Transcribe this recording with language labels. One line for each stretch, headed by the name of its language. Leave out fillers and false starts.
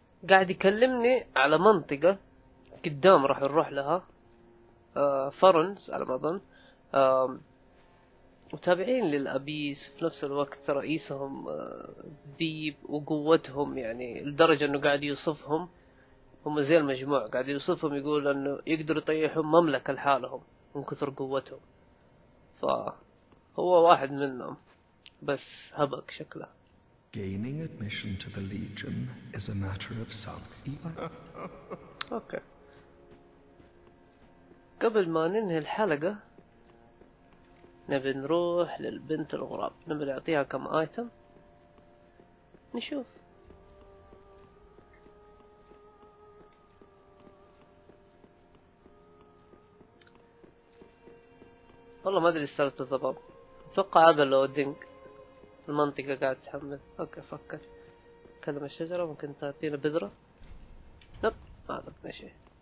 Arabic: قاعد يكلمني على منطقة قدام راح نروح لها فرنس على ما أظن وتابعين للأبيس في نفس الوقت رئيسهم ذيب وقوتهم يعني لدرجة أنه قاعد يوصفهم هم زي المجموع قاعد يوصفهم يقول أنه يقدروا يطيحهم مملكة لحالهم من كثر قوتهم فهو واحد منهم بس هبك شكله.
English: Gaining admission to the Legion is a matter of self-effort. Okay.
Arabic: قبل ما ننهي الحلقة نبي نروح للبنت الغراب نبي نعطيها كم آيتم نشوف والله ما أدري استرت الضباب أتوقع هذا اللودينج المنطقة قاعد تحمل اوكي فكر كلمة الشجرة ممكن تعطينا بذرة نب ما عطتنا شيء